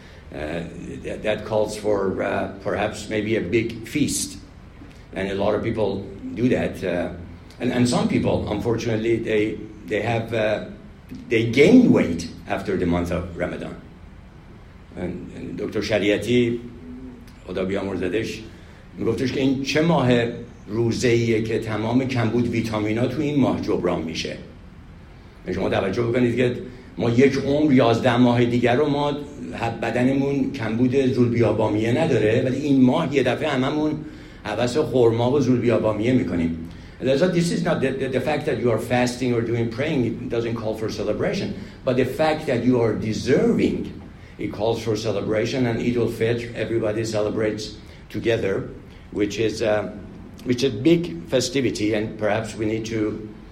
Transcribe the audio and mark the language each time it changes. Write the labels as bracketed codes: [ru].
[en] That calls for perhaps maybe a big feast. And a lot of people do that. And some people, unfortunately, they gain weight after the month of Ramadan. And Dr. [fa] Shariati, Khuda biamurzadesh, میگفتش که این چه ماه روزه‌ایه که تمام کمبود ویتامینا تو این ماه جبران میشه. شما توجه بکنید که ما یک عمر 11 ماه دیگر رو ما بدنمون کمبود زولبیابامیه نداره، ولی این ماه یه دفعه هممون عوض خورما و زولبیابامیه میکنیم. [en] This is not the fact that you are fasting or doing praying, it doesn't call for celebration. But the fact that you are deserving, it calls for celebration. And Eid al-Fitr, everybody celebrates together, which is a big festivity, and perhaps we need to